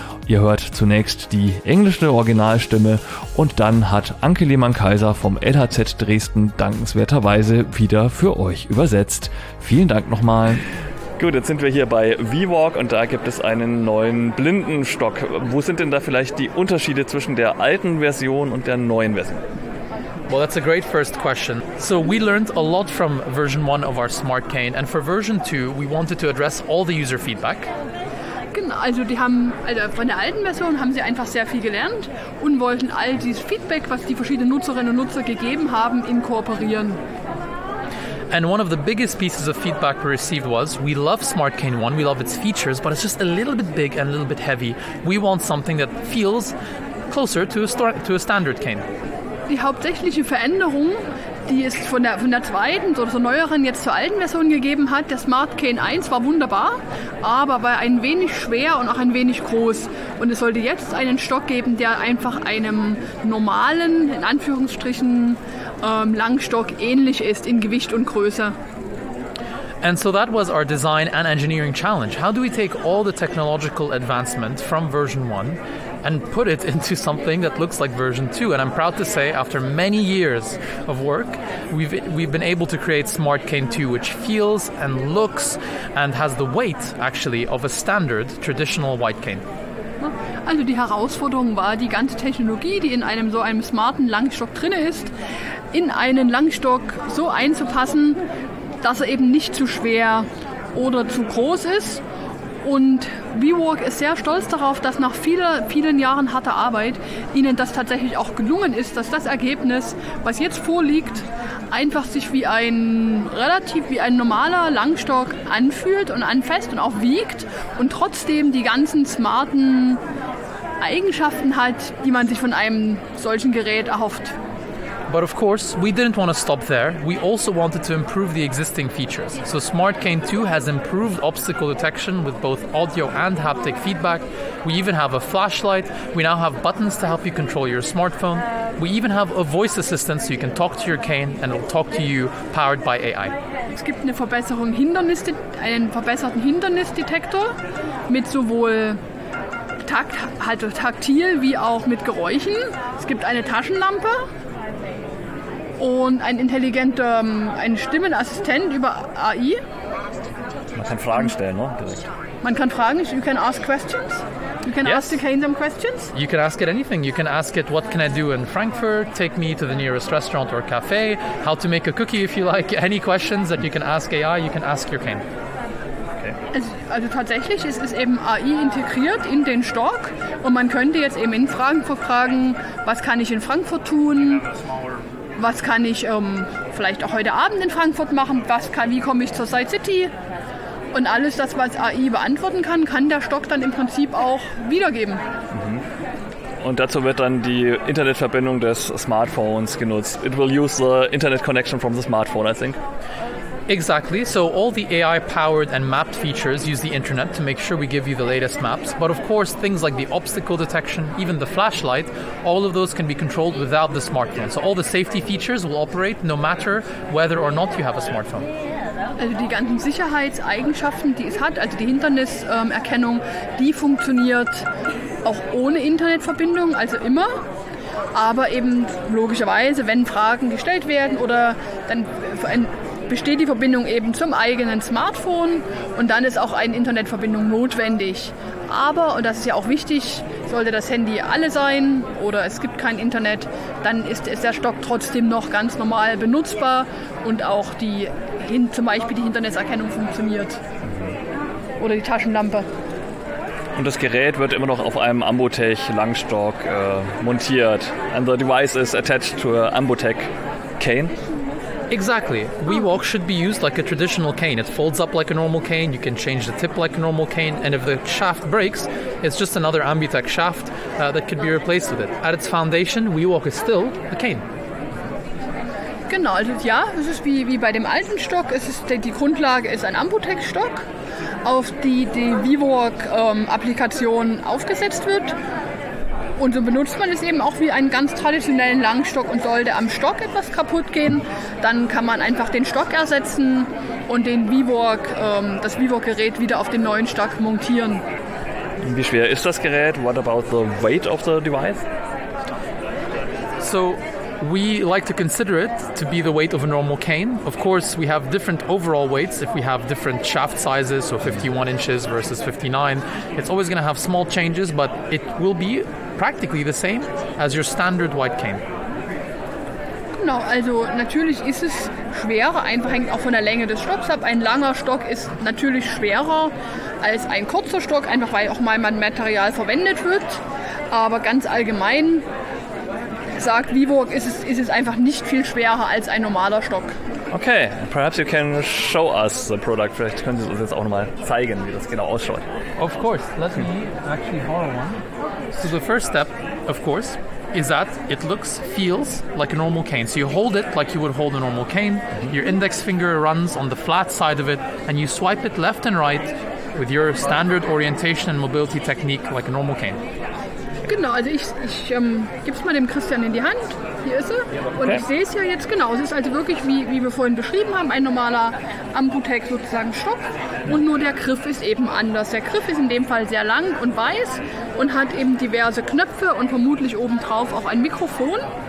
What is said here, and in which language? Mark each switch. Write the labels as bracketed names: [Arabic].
[German] Ihr hört zunächst die englische Originalstimme und dann hat Anke Lehmann-Kaiser vom LHZ Dresden dankenswerterweise wieder für euch übersetzt. Vielen Dank nochmal. Gut, jetzt sind wir hier bei WeWalk und da gibt es einen neuen Blindenstock. Wo sind denn da vielleicht die Unterschiede zwischen der alten Version und der neuen Version? [English] Well, that's a great first question. So we learned a lot from version 1 of our smart cane and for version 2 we wanted to address all the user feedback. [German] Genau, also die haben, also von der alten Version haben sie einfach sehr viel gelernt und wollten all dieses Feedback, was die verschiedenen Nutzerinnen und Nutzer gegeben haben, inkorporieren. [English] And one of the biggest pieces of feedback we received was, we love Smart Cane 1, we love its features, but it's just a little bit big and a little bit heavy. We want something that feels closer to a standard cane. [German] Die hauptsächliche Veränderung, die es von der zweiten oder so neueren jetzt zur alten Version gegeben hat, der Smart Cane 1 war wunderbar, aber war ein wenig schwer und auch ein wenig groß. Und es sollte jetzt einen Stock geben, der einfach einem normalen, in Anführungsstrichen, Langstock ähnlich ist in Gewicht und Größe. [English] And so that was our design and engineering challenge. How do we take all the technological advancement from version 1 and put it into something that looks like version 2? And I'm proud to say after many years of work, we've been able to create Smart Cane 2, which feels and looks and has the weight actually of a standard traditional white cane. [German] Also die Herausforderung war, die ganze Technologie, die in einem so einem smarten Langstock drin ist, in einen Langstock so einzupassen, dass er eben nicht zu schwer oder zu groß ist. Und WeWalk ist sehr stolz darauf, dass nach vielen, vielen Jahren harter Arbeit ihnen das tatsächlich auch gelungen ist, dass das Ergebnis, was jetzt vorliegt, einfach sich wie ein normaler Langstock anfühlt und anfasst und auch wiegt und trotzdem die ganzen smarten Eigenschaften hat, die man sich von einem solchen Gerät erhofft. [English] But of course, we didn't want to stop there. We also wanted to improve the existing features. So Smart Cane 2 has improved obstacle detection with both audio and haptic feedback. We even have a flashlight. We now have buttons to help you control your smartphone. We even have a voice assistant so you can talk to your cane and it'll talk to you powered by AI. [German] Es gibt eine Verbesserung, einen verbesserten Hindernisdetektor mit sowohl taktil wie auch mit Geräuschen. Es gibt eine Taschenlampe. Und ein intelligenter Stimmenassistent über AI. Man kann Fragen stellen, ne? Direkt. Man kann Fragen, [English] you can ask questions. You can yes. ask the cane some questions. You can ask it anything. You can ask it, what can I do in Frankfurt? Take me to the nearest restaurant or cafe. How to make a cookie if you like. Any questions that you can ask AI, you can ask your cane. [German] Also tatsächlich ist es eben AI integriert in den Stock und man könnte jetzt eben in Fragen verfragen, was kann ich in Frankfurt tun? Was kann ich vielleicht auch heute Abend in Frankfurt machen? Wie komme ich zur Side City? Und alles das, was AI beantworten kann, kann der Stock dann im Prinzip auch wiedergeben. Und dazu wird dann die Internetverbindung des Smartphones genutzt. [English] It will use the internet connection from the smartphone, I think. Exactly. So all the AI-powered and mapped features use the internet to make sure we give you the latest maps. But of course, things like the obstacle detection, even the flashlight, all of those can be controlled without the smartphone. So all the safety features will operate no matter whether or not you have a smartphone. [German] Also die ganzen Sicherheitseigenschaften, die es hat, also die Hinderniserkennung, die funktioniert auch ohne Internetverbindung, also immer. Aber eben logischerweise, wenn Fragen gestellt werden oder dann besteht die Verbindung eben zum eigenen Smartphone und dann ist auch eine Internetverbindung notwendig. Aber, und das ist ja auch wichtig, sollte das Handy alle sein oder es gibt kein Internet, dann ist der Stock trotzdem noch ganz normal benutzbar und auch zum Beispiel die Hinterniserkennung funktioniert oder die Taschenlampe. Und das Gerät wird immer noch auf einem Ambutech Langstock montiert. [English] And the device is attached to an Ambutech cane. Exactly. WeWalk should be used like a traditional cane. It folds up like a normal cane, you can change the tip like a normal cane, and if the shaft breaks, it's just another Ambutech shaft that could be replaced with it. At its foundation, WeWalk is still a cane. [German] Genau, also ja, es ist wie bei dem alten Stock, die Grundlage ist ein Ambutech-Stock, auf die WeWalk-Applikation aufgesetzt wird. Und so benutzt man es eben auch wie einen ganz traditionellen Langstock, und sollte am Stock etwas kaputt gehen, dann kann man einfach den Stock ersetzen und das WeWalk-Gerät wieder auf den neuen Stock montieren. Wie schwer ist das Gerät? [English] What about the weight of the device? So, we like to consider it to be the weight of a normal cane. Of course, we have different overall weights if we have different shaft sizes, so 51 inches versus 59. It's always going to have small changes, but it will be practically the same as your standard white cane. [German] Genau, also natürlich ist es schwerer, einfach hängt auch von der Länge des Stocks ab. Ein langer Stock ist natürlich schwerer als ein kurzer Stock, einfach weil auch mal Material verwendet wird. Aber ganz allgemein sagt WeWalk, ist es einfach nicht viel schwerer als ein normaler Stock. [English] Okay, perhaps you can show us the product. [German] Vielleicht können Sie uns jetzt auch nochmal zeigen, wie das genau ausschaut. [English] Of course, let me actually borrow one. So the first step, of course, is that it looks, feels like a normal cane. So you hold it like you would hold a normal cane. Mm-hmm. Your index finger runs on the flat side of it, and you swipe it left and right with your standard orientation and mobility technique like a normal cane. [German] Genau, also ich gebe es mal dem Christian in die Hand. Hier ist er. Und okay. Ich sehe es ja jetzt genau. Es ist also wirklich, wie wir vorhin beschrieben haben, ein normaler Ambutech sozusagen Stock. Und nur der Griff ist eben anders. Der Griff ist in dem Fall sehr lang und weiß und hat eben diverse Knöpfe und vermutlich obendrauf auch ein Mikrofon.